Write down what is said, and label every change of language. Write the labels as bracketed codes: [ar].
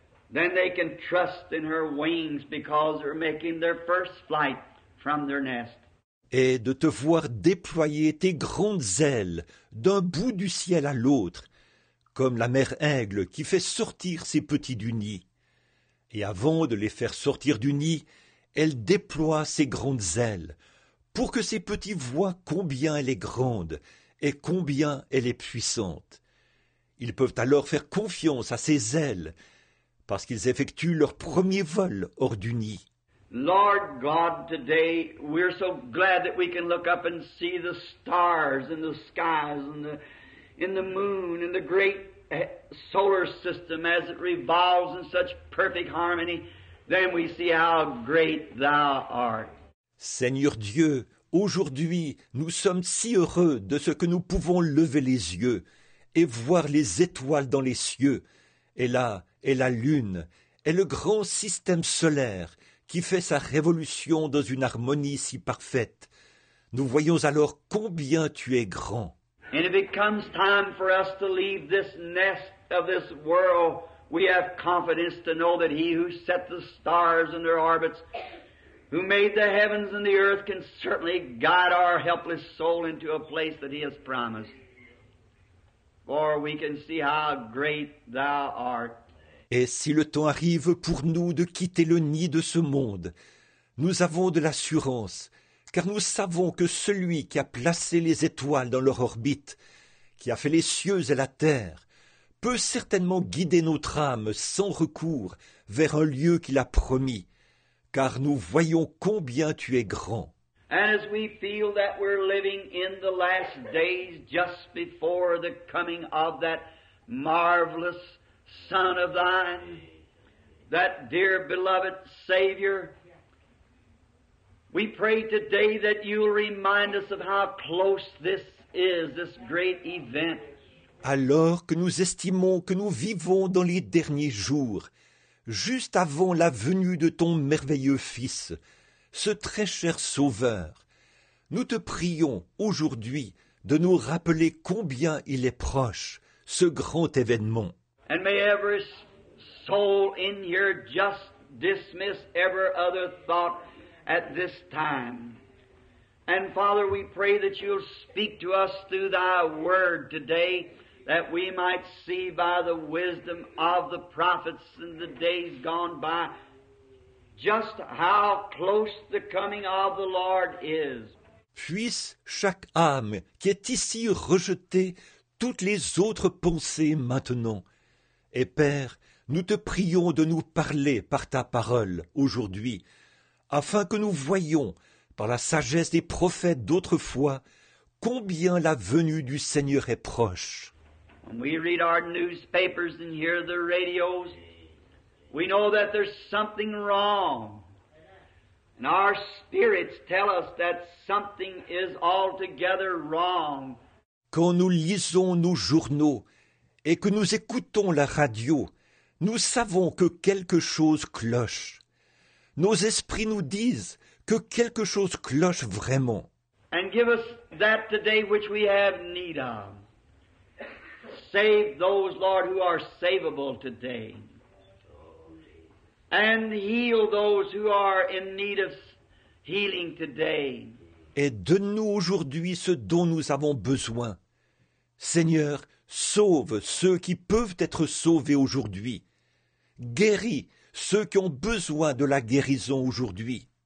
[en] Then they can trust in her wings because they're making their first flight from their nest. [fr] Et de te voir déployer tes grandes ailes d'un bout du ciel à l'autre, comme la mère aigle qui fait sortir ses petits du nid. Et avant de les faire sortir du nid, elle déploie ses grandes ailes, pour que ses petits voient combien elle est grande et combien elle est puissante. Ils peuvent alors faire confiance à ses ailes, parce qu'ils effectuent leur premier vol hors du nid. [en] Lord God, today we're so glad that we can look up and see the stars in the skies and in the moon and the great solar system as it revolves in such perfect harmony. Then we see how great Thou art. [fr] Seigneur Dieu, aujourd'hui nous sommes si heureux de ce que nous pouvons lever les yeux et voir les étoiles dans les cieux, et là est la lune et le grand système solaire qui fait sa révolution dans une harmonie si parfaite. Nous voyons alors combien tu es grand. [en] And if it comes time for us to leave this nest of this world, we have confidence to know that He who set the stars in their orbits, who made the heavens and the earth, can certainly guide our helpless soul into a place that He has promised. For we can see how great Thou art. [fr] Et si le temps arrive pour nous de quitter le nid de ce monde, nous avons de l'assurance, car nous savons que celui qui a placé les étoiles dans leur orbite, qui a fait les cieux et la terre, peut certainement guider notre âme sans recours vers un lieu qu'il a promis, car nous voyons combien tu es grand. [en] As we feel that we're living in the last days just before the coming of that marvelous Son of thine, that dear beloved Savior, we pray today that you'll remind us of how close this is, this great event. [fr] Alors que nous estimons que nous vivons dans les derniers jours, juste avant la venue de ton merveilleux Fils, ce très cher Sauveur, nous te prions aujourd'hui de nous rappeler combien il est proche, ce grand événement. [en] And may every soul in here just dismiss every other thought at this time. And Father, we pray that you'll speak to us through Thy Word today, that we might see by the wisdom of the prophets in the days gone by just how close the coming of the Lord is. [fr] Puisse chaque âme qui est ici rejeter toutes les autres pensées maintenant. Et Père, nous te prions de nous parler par ta parole aujourd'hui, afin que nous voyions, par la sagesse des prophètes d'autrefois, combien la venue du Seigneur est proche. [en] When we read our newspapers and hear the radios, we know that there's something wrong. And our spirits tell us that something is altogether wrong. [fr] Quand nous lisons nos journaux, et que nous écoutons la radio, nous savons que quelque chose cloche. Nos esprits nous disent que quelque chose cloche vraiment. [en] And give us that today which we have need of. save those, Lord, who are savable today. And heal those who are in need of healing today. [fr] Et donne-nous aujourd'hui ce dont nous avons besoin. Seigneur, sauve ceux qui peuvent être sauvés aujourd'hui. Guéris ceux qui ont besoin de la guérison aujourd'hui.